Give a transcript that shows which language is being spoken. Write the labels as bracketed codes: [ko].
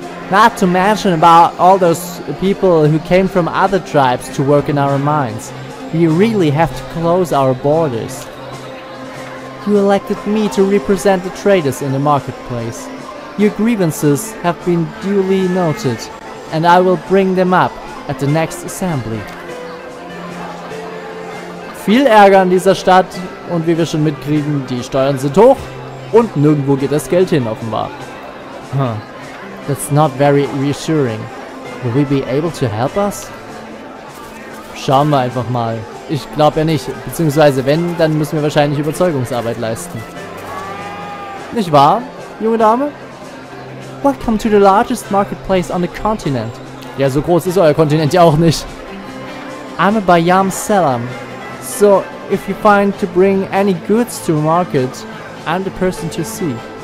[en] Not to mention about all those people who came from other tribes to work in our mines. We really have to close our borders. You elected me to represent the traders in the marketplace. Your grievances have been duly noted, and I will bring them up at the next assembly. [de] Viel Ärger in dieser Stadt, und wie wir schon mitkriegen, die Steuern sind hoch und nirgendwo geht das Geld hin, offenbar. Huh. [en] That's not very reassuring. Will we be able to help us? [de] Schauen wir einfach mal. Ich glaube ja nicht, beziehungsweise wenn, dann müssen wir wahrscheinlich Überzeugungsarbeit leisten. Nicht wahr, junge Dame? [en] Welcome to the largest marketplace on the continent. [de] Ja, so groß ist euer Kontinent ja auch nicht. [en] I'm a Bayam Selam. So, if you find to bring any goods to market, I'm the person to see.